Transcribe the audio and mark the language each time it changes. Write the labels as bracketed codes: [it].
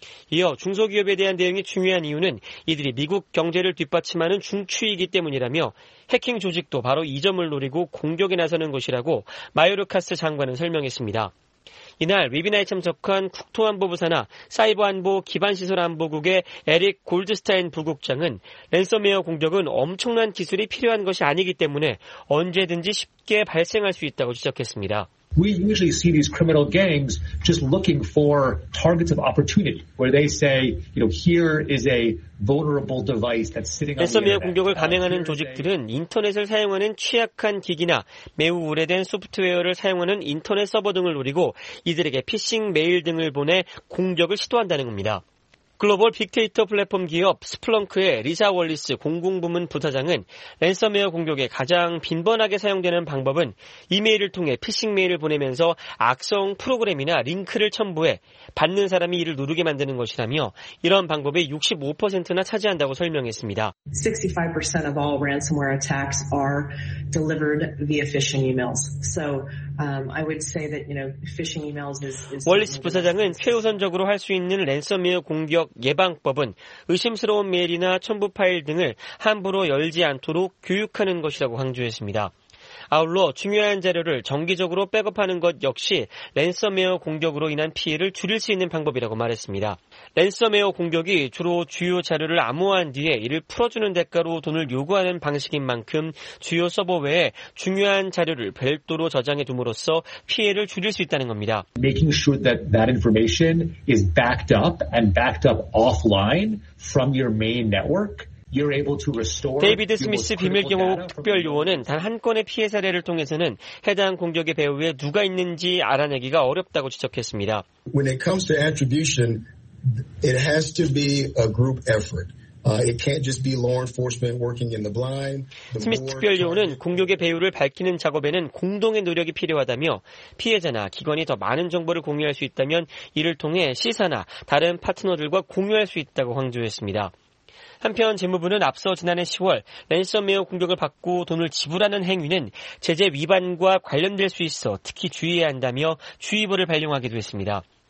[ko] 이어 중소기업에 대한 대응이 중요한 이유는 이들이 미국 경제를 뒷받침하는 중추이기 때문이라며 해킹 조직도 바로 이 점을 노리고 공격에 나서는 것이라고 마요르카스 장관은 설명했습니다. 이날 웨비나에 참석한 국토안보부사나 사이버안보 기반시설안보국의 에릭 골드스타인 부국장은 랜섬웨어 공격은 엄청난 기술이 필요한 것이 아니기 때문에 언제든지 쉽게 발생할 수 있다고 지적했습니다. [en] We usually see these criminal gangs just looking for targets of opportunity where they say, you know, here is a vulnerable device that's sitting on the internet. [ko] 랜섬웨어 공격을 감행하는 조직들은 인터넷을 사용하는 취약한 기기나 매우 오래된 소프트웨어를 사용하는 인터넷 서버 등을 노리고 이들에게 피싱 메일 등을 보내 공격을 시도한다는 겁니다. 글로벌 빅데이터 플랫폼 기업 스플렁크의 리사 월리스 공공부문 부사장은 랜섬웨어 공격에 가장 빈번하게 사용되는 방법은 이메일을 통해 피싱 메일을 보내면서 악성 프로그램이나 링크를 첨부해 받는 사람이 이를 누르게 만드는 것이라며 이런 방법의 65%나 차지한다고 설명했습니다. [en] 65% of all ransomware attacks are delivered via phishing emails. So I would say that, you know, phishing emails is [ko] 월리스 부사장은 최우선적으로 할 수 있는 랜섬웨어 공격 예방법은 의심스러운 메일이나 첨부 파일 등을 함부로 열지 않도록 교육하는 것이라고 강조했습니다. 아울러 중요한 자료를 정기적으로 백업하는 것 역시 랜섬웨어 공격으로 인한 피해를 줄일 수 있는 방법이라고 말했습니다. 랜섬웨어 공격이 주로 주요 자료를 암호화한 뒤에 이를 풀어주는 대가로 돈을 요구하는 방식인 만큼 주요 서버 외에 중요한 자료를 별도로 저장해 둠으로써 피해를 줄일 수 있다는 겁니다. [en] Making sure that that information is backed up and backed up offline from your main network. [ko] 데이비드 스미스 비밀경호국 특별요원은 단 한 건의 피해 사례를 통해서는 해당 공격의 배후에 누가 있는지 알아내기가 어렵다고 지적했습니다. [en] When it comes to attribution, it has to be a group effort. It can't just be law enforcement working in the blind. [ko] 스미스 특별요원은 공격의 배후를 밝히는 작업에는 공동의 노력이 필요하다며 피해자나 기관이 더 많은 정보를 공유할 수 있다면 이를 통해 시사나 다른 파트너들과 공유할 수 있다고 강조했습니다. 한편 재무부는 앞서 지난해 10월 랜섬웨어 공격을 받고 돈을 지불하는 행위는 제재 위반과 관련될 수 있어 특히 주의해야 한다며 주의보를 발령하기도 했습니다.